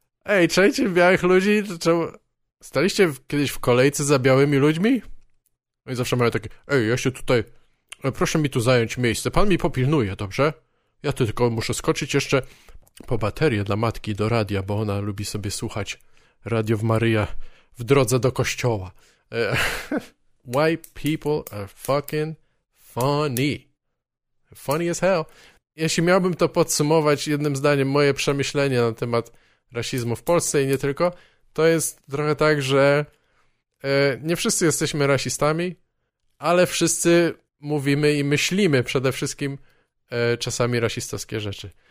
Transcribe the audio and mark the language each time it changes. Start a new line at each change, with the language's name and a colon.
Polish: Ej, czajcie białych ludzi, czemu... Staliście kiedyś w kolejce za białymi ludźmi? Oni zawsze mają takie, ej, ja się tutaj... Proszę mi tu zająć miejsce, pan mi popilnuje, dobrze? Ja tu tylko muszę skoczyć jeszcze po baterię dla matki do radia, bo ona lubi sobie słuchać Radio Maria w drodze do kościoła.
English: White people are fucking funny. Funny as hell.
Polish: Jeśli miałbym to podsumować jednym zdaniem, moje przemyślenie na temat rasizmu w Polsce i nie tylko, to jest trochę tak, że nie wszyscy jesteśmy rasistami, ale wszyscy mówimy i myślimy przede wszystkim czasami rasistowskie rzeczy.